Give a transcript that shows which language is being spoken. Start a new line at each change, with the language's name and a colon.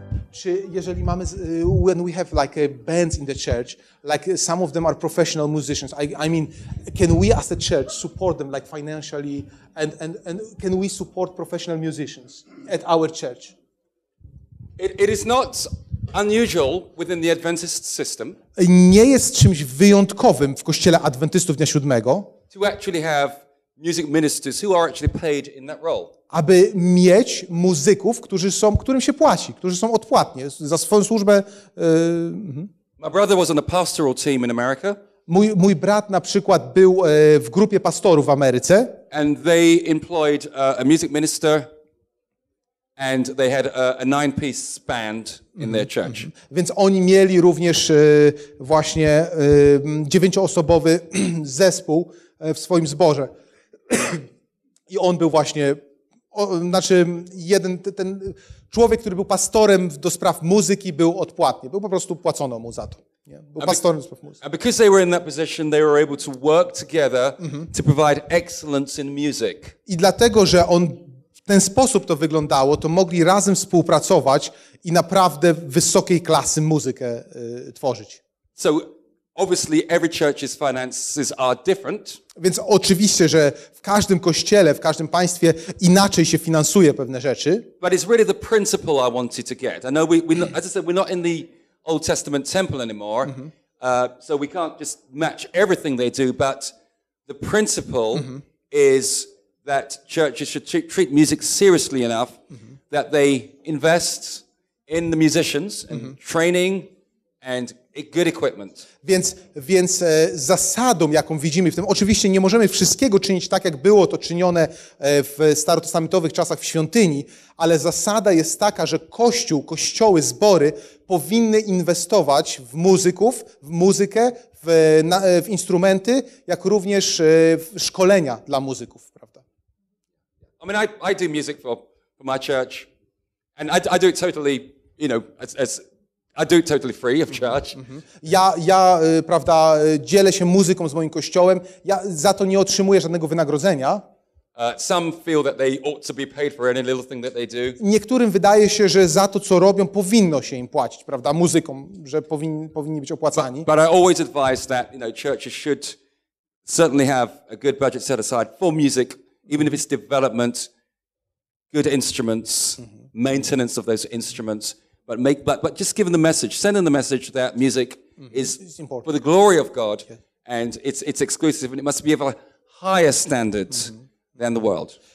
Polish: czy jeżeli mamy
English: when we have like a band in the church, like some of them are professional musicians. I mean, can we as a church support them like financially and can we support professional musicians at our church? It is not unusual within the Adventist system.
Polish: Nie jest czymś wyjątkowym w kościele adwentystów Dnia Siódmego.
English: To actually have music ministers who are actually paid in that role.
Polish: Aby mieć muzyków, którzy są, którym się płaci, którzy są odpłatnie za swoją służbę.
English: My brother was on a pastoral team in America.
Polish: Mój brat na przykład był w grupie pastorów w Ameryce.
English: And they employed a music minister. And they had a 9-piece band in their church.
Polish: Więc oni mieli również właśnie 9-osobowy zespół w swoim zborze. I on był właśnie, znaczy jeden, ten człowiek, który był pastorem do spraw muzyki, był odpłatnie. Był po prostu płacono mu za to. Nie? Był pastorem do spraw muzyki.
English: And because they were in that position, they were able to work together to provide excellence in music.
Polish: I dlatego, że on w ten sposób to wyglądało, to mogli razem współpracować i naprawdę wysokiej klasy muzykę tworzyć.
English: So obviously every church's finances are different.
Polish: Więc oczywiście, że w każdym kościele, w każdym państwie inaczej się finansuje pewne rzeczy.
English: But it's really the principle I wanted to get. I know as I said, we're not in the Old Testament temple anymore. Mm-hmm. So we can't just match everything they do, but the principle is that churches should treat music seriously enough that they invest in the musicians and training and good equipment.
Polish: Więc zasadą, jaką widzimy w tym, oczywiście nie możemy wszystkiego czynić tak, jak było to czynione w starotestamentowych czasach w świątyni, ale zasada jest taka, że kościoły, zbory powinny inwestować w muzyków, w muzykę, w instrumenty, jak również w szkolenia dla muzyków.
English: I mean, I do music for my church, and I do it totally, you know, as I do it totally free of charge.
Polish: Ja prawda, dzielę się muzyką z moim kościołem. Ja za to nie otrzymuję żadnego wynagrodzenia.
English: Some feel that they ought to be paid for any little thing that they do.
Polish: Niektórym wydaje się, że za to, co robią, powinno się im płacić, prawda, muzyką, że powinni być opłacani.
English: But I always advise that, you know, churches should certainly have a good budget set aside for music. Even if it's development, good instruments, maintenance of those instruments, but just giving the message, sending the message that music is important for the glory of God, and it's exclusive and it must be of a higher standard than the world.